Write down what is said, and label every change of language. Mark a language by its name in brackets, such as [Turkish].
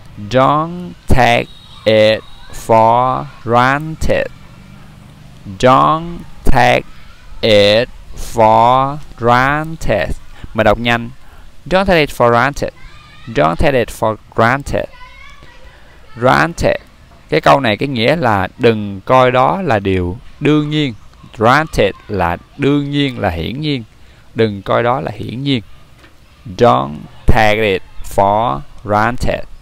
[English] Don't take it for granted. Don't take it for granted. [Vietnamese] Mình đọc nhanh. [English] Don't take it for granted. Don't take it for granted. Granted. [Vietnamese] Cái câu này cái nghĩa là đừng coi đó là điều đương nhiên. Granted là đương nhiên, là hiển nhiên. Đừng coi đó là hiển nhiên. [English] Don't take it for granted.